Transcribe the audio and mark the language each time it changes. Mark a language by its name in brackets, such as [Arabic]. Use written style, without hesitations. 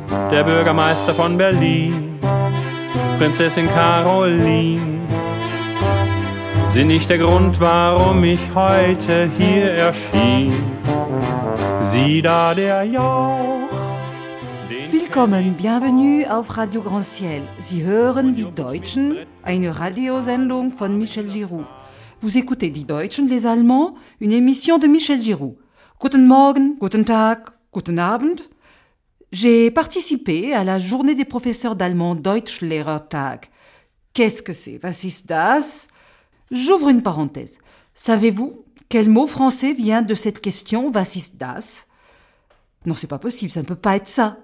[German] Der Bürgermeister von Berlin, Prinzessin Caroline, sind nicht der Grund, warum ich heute hier erschien. Sieh da der Jauch. Willkommen, bienvenue auf Radio Grand Ciel. Sie hören Die Deutschen, eine Radiosendung von Michel Giroux. [French] Vous écoutez Die Deutschen, les Allemands, une émission de Michel Giroux. [German] Guten Morgen, guten Tag, guten Abend. [French] J'ai participé à la journée des professeurs d'allemand Deutschlehrertag. Qu'est-ce que c'est? [German] Was ist das? [French] J'ouvre une parenthèse. Savez-vous quel mot français vient de cette question, [German] was ist das? [French] Non, c'est pas possible, ça ne peut pas être ça.